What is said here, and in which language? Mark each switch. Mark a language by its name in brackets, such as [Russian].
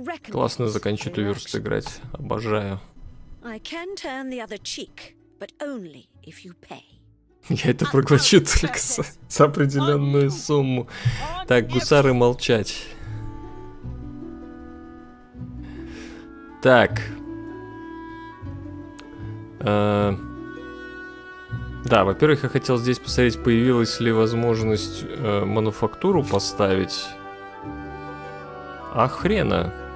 [Russian] Классно закончить уверст играть. Обожаю. [English] I can turn the other cheek, but only if you pay. [Russian] Я это проглочу только за определенную сумму. Так, гусары, молчать. Так. Да, во-первых, я хотел здесь посмотреть, появилась ли возможность мануфактуру поставить. А хрена.